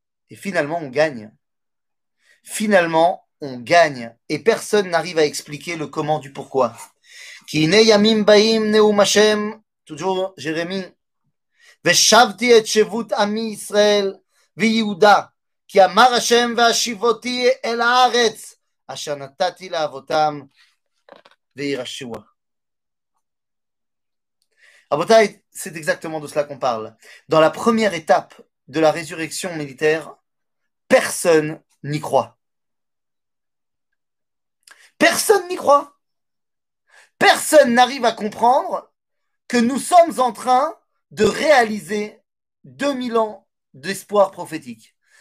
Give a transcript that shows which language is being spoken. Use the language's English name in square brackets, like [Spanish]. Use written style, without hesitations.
[French] Et finalement, on gagne. Finalement, on gagne. Et personne n'arrive à expliquer le comment du pourquoi. [Hebrew] Ki ne yamim baim neum Hashem. [French] Toujours Jérémie. [Hebrew] Veshavti et shevut ami Israël. ויהודה, כי אמר השם והשיבותי אל הארץ, אשר נתתי לאבותם וירשוע. [French] רבותיי, c'est exactement de cela qu'on parle. Dans la première étape de la résurrection militaire, personne n'y croit. Personne n'y croit. Personne n'arrive à comprendre que nous sommes en train de réaliser 2000 ans d'espoir prophétique.